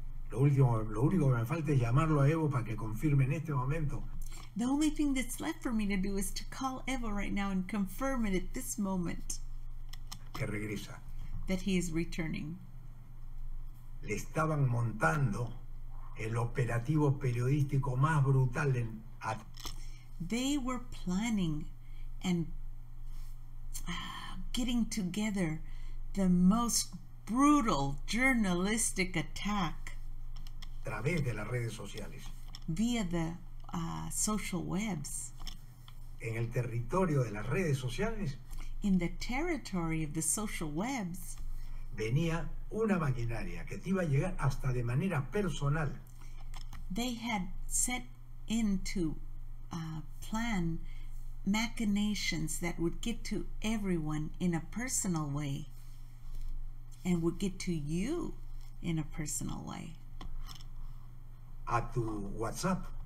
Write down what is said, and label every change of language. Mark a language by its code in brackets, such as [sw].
[es] Lo único que me falta es llamarlo a Evo para que confirme en este momento. [en] The only thing that's left for me to do is to call Evo right now and confirm it at this moment. [es] Que regresa. [en] That he is returning. [es] Le estaban montando el operativo periodístico más brutal en... [en] They were planning and getting together the most brutal journalistic attack. [es] A través de las redes sociales. [en] Via the social webs. [es] En el territorio de las redes sociales. [en] In the territory of the social webs. [es] Venía una maquinaria que te iba a llegar hasta de manera personal. [en] They had set into plan machinations that would get to everyone in a personal way and would get to you in a personal way. [es] A tu WhatsApp.